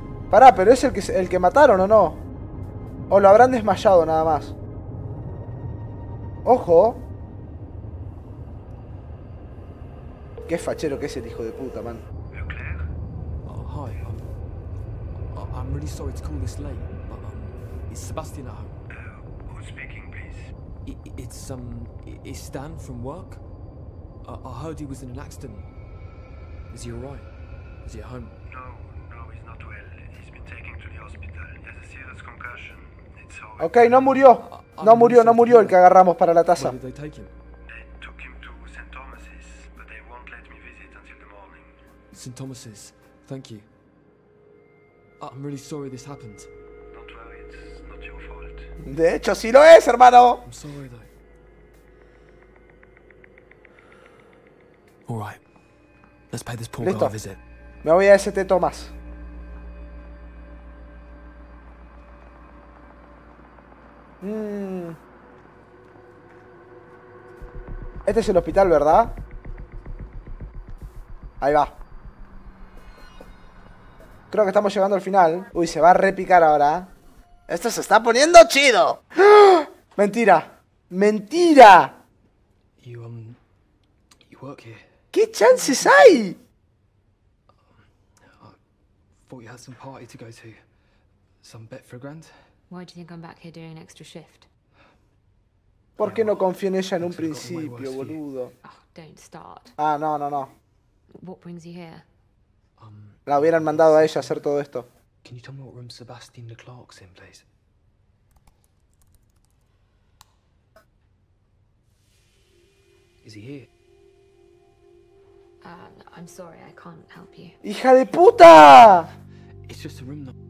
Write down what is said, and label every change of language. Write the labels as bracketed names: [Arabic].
[Spanish] Pará, pero es el que mataron, ¿o no? O lo habrán desmayado nada más. ¡Ojo! Qué fachero que es el hijo de puta, man. [English] Hi. I'm really sorry to call this late, but it's Sebastian at home. Who's speaking, please? It's Stan from work. I heard he was in an accident. Is he alright? Is he at home? No, he's not well. He's been taken to the hospital. He has a serious concussion. It's all. [Spanish] Okay, no murió. No murió, no murió el que agarramos para la taza. ¿Dónde lo llevaron? [English] They took him to St. Thomas's, but they won't let me visit until the morning. St. Thomas's, thank you. I'm really sorry this happened. Don't worry, it's not your fault. [Spanish] De hecho, sí lo es, hermano. [English] I'm sorry, though. All right. Let's pay this poor [Spanish] Listo. [English] Guy a visit. [Spanish] Me voy a St. Thomas. Este es el hospital, ¿verdad? Ahí va. Creo que estamos llegando al final. Uy, se va a repicar ahora. ¡Esto se está poniendo chido! ¡Mentira! ¡Mentira! [English] You work here. [Spanish] ¿Qué chances hay? [English] Thought you had some party to go to. Some bet for a grand. Why do you think I'm back here doing an extra shift? [Spanish] ¿Por qué no confío en ella en un principio, boludo? [English] Oh, don't start. [Spanish] Ah, no. [English] What brings you here? [Spanish] La hubieran mandado a ella a hacer todo esto. [English] Can you tell me what room Sebastian the Clark's in, please? Is he here? I'm sorry, I can't help you. [Spanish] ¡Hija de puta! [English] It's just a room.